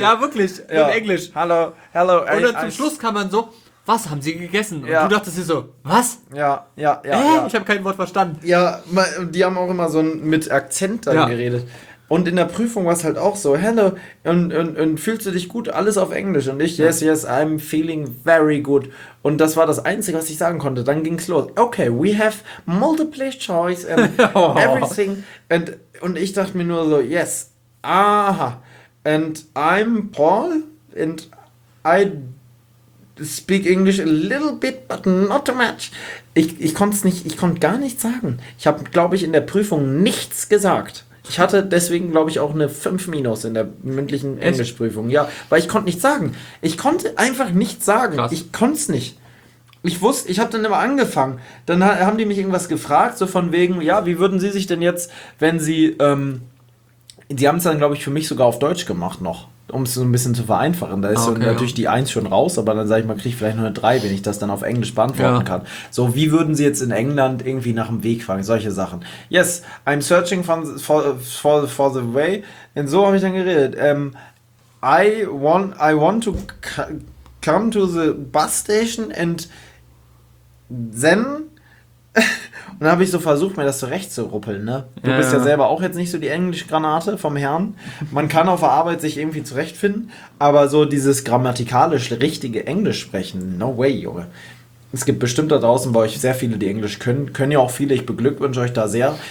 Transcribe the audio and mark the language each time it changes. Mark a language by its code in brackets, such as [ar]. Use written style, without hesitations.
[de] Ja, wirklich. Ja. In Englisch. Hallo. Hello. Und dann zum Schluss kann man so, was haben sie gegessen? Und du dachtest dir so, was? Ja. Ich habe kein Wort verstanden. Ja, die haben auch immer so mit Akzent dann geredet. Und in der Prüfung war es halt auch so, hello, und fühlst du dich gut? Alles auf Englisch. Und ich, [en] yes, I'm feeling very good. [de] Und das war das Einzige, was ich sagen konnte. Dann ging es los. [en] Okay, we have multiple choice and everything. [de] Und ich dachte mir nur so, yes, aha. [en] And I'm Paul and I speak English a little bit, but not too much. [de] Ich konnte gar nichts sagen. Ich habe, glaube ich, in der Prüfung nichts gesagt. Ich hatte deswegen, glaube ich, auch eine 5- in der mündlichen Englischprüfung. Ja, weil ich konnte nichts sagen. Ich konnte einfach nichts sagen. Krass. Ich konnte es nicht. Ich habe dann immer angefangen. Dann haben die mich irgendwas gefragt, so von wegen, ja, wie würden sie sich denn jetzt, wenn sie, die haben es dann, glaube ich, für mich sogar auf Deutsch gemacht noch. Um es so ein bisschen zu vereinfachen. Da ist natürlich die 1 schon raus, aber dann sage ich mal, kriege ich vielleicht nur eine 3, wenn ich das dann auf Englisch beantworten kann. So, wie würden Sie jetzt in England irgendwie nach dem Weg fragen? Solche Sachen. [en] Yes, I'm searching for the way. [de] Und so habe ich dann geredet. [en] I want to come to the bus station and then... [de] Und dann habe ich so versucht, mir das zurechtzuruppeln, ne? Du bist ja selber auch jetzt nicht so die Englischgranate vom Herrn. Man kann auf der Arbeit sich irgendwie zurechtfinden, aber so dieses grammatikalisch richtige Englisch sprechen, [en] no way, [de] Junge. Es gibt bestimmt da draußen bei euch sehr viele, die Englisch können. Können ja auch viele, ich beglückwünsche euch da sehr.